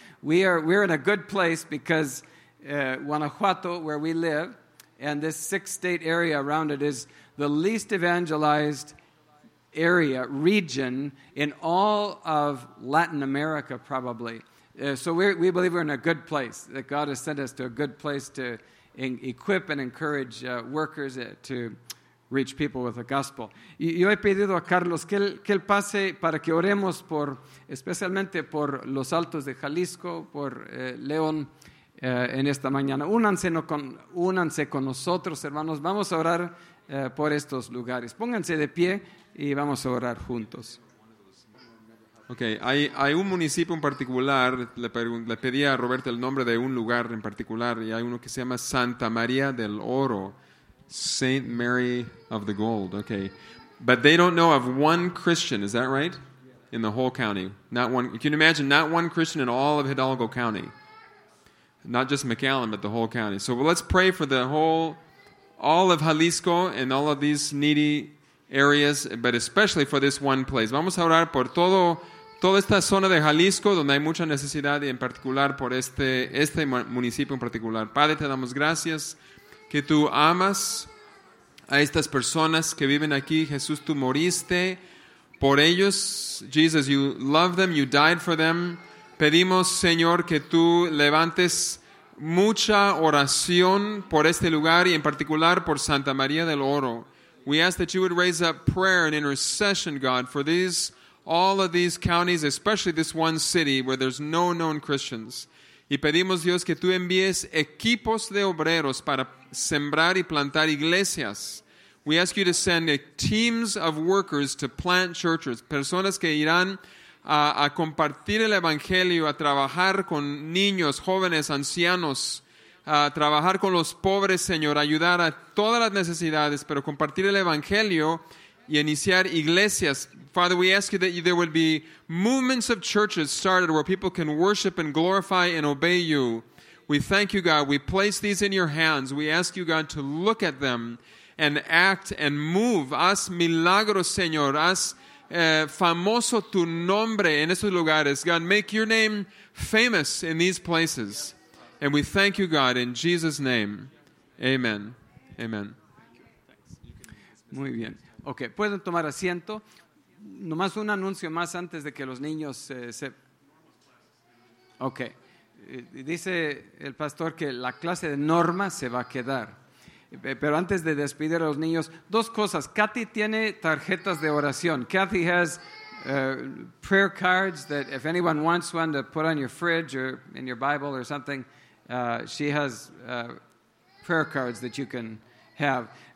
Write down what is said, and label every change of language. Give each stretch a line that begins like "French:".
English: We're in a good place because Guanajuato, where we live, and this 6-state area around it is the least evangelized area, region, in all of Latin America, probably. So we believe we're in a good place, that God has sent us to a good place to equip and encourage workers to reach people with the gospel.
Spanish: Yo he pedido a Carlos que él pase para que oremos por, especialmente por Los Altos de Jalisco, por León, en esta mañana. Únanse con nosotros, hermanos. Vamos a orar por estos lugares. Pónganse de pie y vamos a orar juntos. Okay, hay un municipio en particular, le pedí a Roberto el nombre de un lugar en particular, y hay uno que se llama Santa María del Oro,
English: Saint Mary of the Gold, okay. But they don't know of one Christian, is that right? In the whole county. Not one. Can you imagine, not one Christian in all of Hidalgo County. Not just McAllen, but the whole county. So let's pray for all of Jalisco and all of these needy areas, but especially for this one place.
Spanish: Vamos a orar por toda esta zona de Jalisco donde hay mucha necesidad y en particular por este municipio en particular. Padre, te damos gracias que tú amas a estas personas que viven aquí. Jesús, tú moriste por ellos.
English: Jesus, you love them, you died for them.
Spanish: Pedimos, Señor, que tú levantes mucha oración por este lugar y en particular por Santa María del Oro.
English: We ask that you would raise up prayer and intercession, God, for all of these counties, especially this one city where there's no known Christians.
Spanish: Y pedimos, Dios, que tú envíes equipos de obreros para sembrar y plantar iglesias.
English: We ask you to send teams of workers to plant churches,
Spanish: personas que irán a compartir el evangelio, a trabajar con niños, jóvenes, ancianos, a trabajar con los pobres, Señor, ayudar a todas las necesidades, pero compartir el evangelio y iniciar iglesias.
English: Father, we ask you that there will be movements of churches started where people can worship and glorify and obey you. We thank you, God. We place these in your hands. We ask you, God, to look at them and act and move.
Spanish: Haz milagros, Señor. Haz famoso tu nombre en estos lugares.
English: God, make your name famous in these places. And we thank you, God, in Jesus' name. Amen. Amen.
Spanish: Muy bien. Ok, pueden tomar asiento. Nomás un anuncio más antes de que los niños se... Ok. dice el pastor que la clase de Norma se va a quedar. Pero antes de despedir a los niños, dos cosas. Kathy tiene tarjetas de oración.
English: Kathy has prayer cards that if anyone wants one to put on your fridge or in your Bible or something, she has prayer cards that you can have.